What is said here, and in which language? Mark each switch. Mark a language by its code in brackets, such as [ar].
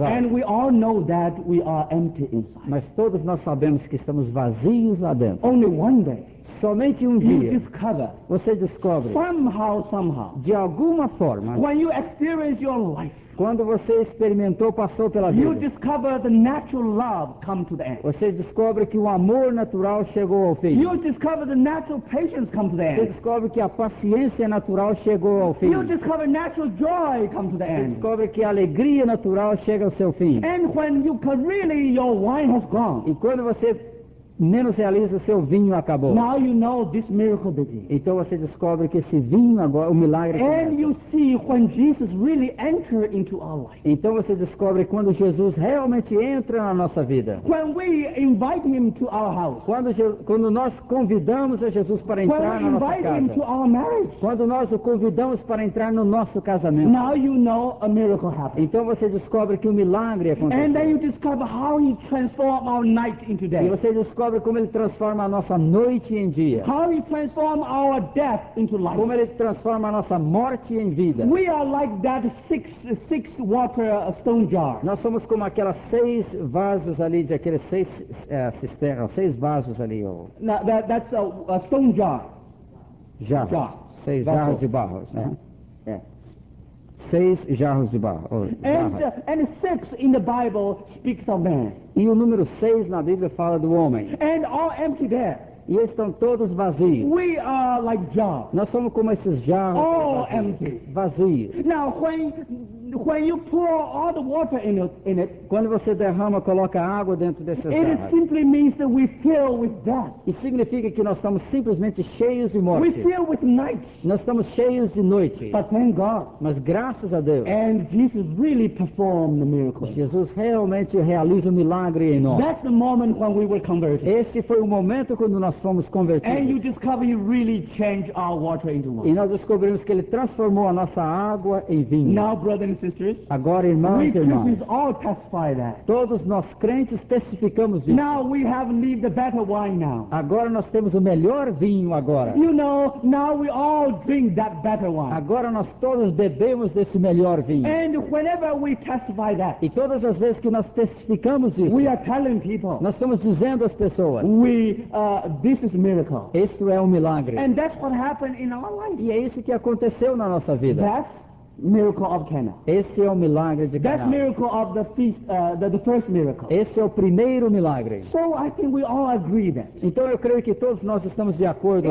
[en] And we all know that we are empty inside. [pt] Mas todos nós sabemos que estamos vazios lá dentro. [en] Only one day. [pt] Somente um dia. [en] You discover. [pt] Você descobre. [en] Somehow. [pt] De alguma forma. [en] When you experience your life. [pt] Quando você experimentou, passou pela vida. [en] You discover the natural love come to the end. [pt] Você descobre que o amor natural chegou ao fim. [en] You discover the natural patience come to the end. [pt] Você descobre que a paciência natural chegou ao fim. [en] You discover natural joy come to the end. [pt] Você descobre que a alegria natural chega ao seu fim. [en] And when you can really your wine has gone. [pt] E quando você menos realiza, seu vinho acabou. [en] Now you know this miracle begins. [pt] Então você descobre que esse vinho agora, o milagre começa. [en] You see when Jesus really enter into our life. [pt] Então você descobre quando Jesus realmente entra na nossa vida. [en] When we invite him to our house. [pt] Quando nós convidamos a Jesus para entrar [en] when [pt] na nossa [en] invite [pt] casa. [en] Him to our marriage. [pt] Quando nós o convidamos para entrar no nosso casamento. [en] Now you know a miracle happened. [pt] Então você descobre que o milagre aconteceu. [en] And then you discover how he transformed our night into day. [pt] E você descobre como ele transforma a nossa noite em dia. [en] How he transforms our death into life. [pt] Como ele transforma a nossa morte em vida. [en] We are like that six water stone jar. [pt] Nós somos como aquelas seis vasos ali de aqueles seis cisternas, seis vasos ali. Oh. [en] Now that's a stone jar. [pt] Seis jarros de barro. [en] And six in the Bible speaks of man. [pt] E o número 6 na Bíblia fala do homem. [en] And all empty there. [pt] E eles estão todos vazios. [en] We are like jars. [pt] Nós somos como esses jarros. [en] All empty. [pt] Vazios. [en] Now when you pour all the water in it. [pt] Quando você derrama, coloca água dentro dessas jarras. [en] It garras, simply means that we fill with death. [pt] E significa que nós estamos simplesmente cheios de morte. [en] We fill with night. [pt] Nós estamos cheios de noite. [en] But thank God. [pt] Mas graças a Deus. [en] And Jesus really performed the miracle. [pt] Jesus realmente realiza o milagre em nós. [en] That's the moment when we were converted. [pt] Esse foi o momento quando nós fomos convertidos. [en] And you discover he really changed our water into wine. [pt] E nós descobrimos que ele transformou a nossa água em vinho. [en] Now, brother and sisters. [pt] Agora, irmãos e irmãs, [en] Christians all testify that. [pt] Todos nós crentes testificamos disso. [en] Now we have lived the better wine now. [pt] Agora nós temos o melhor vinho agora. [en] You know, now we all drink that better wine. [pt] Agora nós todos bebemos desse melhor vinho. [en] And whenever we testify that. [pt] E todas as vezes que nós testificamos isso. [en] We are telling people. [pt] Nós estamos dizendo às pessoas. [en] This is a miracle. [pt] Isso é um milagre. [en] And that's what happened in our life. [pt] E é isso que aconteceu na nossa vida. [en] That's miracle of Cana. [pt] Esse é o milagre de Cana. [en] That's miracle of the feast, the first miracle. [pt] Esse é o primeiro milagre. [en] So I think we all agree that. [pt] Então eu creio que todos nós estamos de acordo